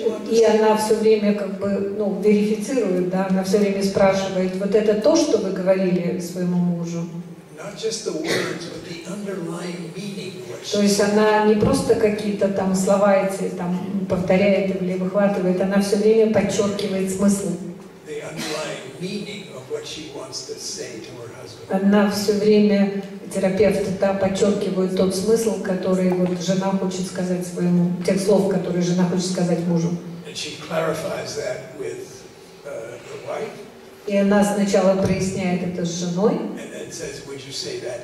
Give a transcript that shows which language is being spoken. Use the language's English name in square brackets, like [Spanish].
[Russian] И она все время как бы, ну, верифицирует, да, она все время спрашивает, вот это то, что вы говорили своему мужу? [English] Not just the words, but the underlying meaning. [Russian] То есть она не просто какие-то там слова эти там повторяет или выхватывает, она все время подчеркивает смысл. [English] The underlying meaning of what she wants to say to her husband. [Russian] Она все время, терапевт, да, подчеркивает тот смысл, который вот жена хочет сказать своему, тех слов, которые жена хочет сказать мужу. [English] And she clarifies that with the wife. [Russian] И она сначала проясняет это с женой, [English] says,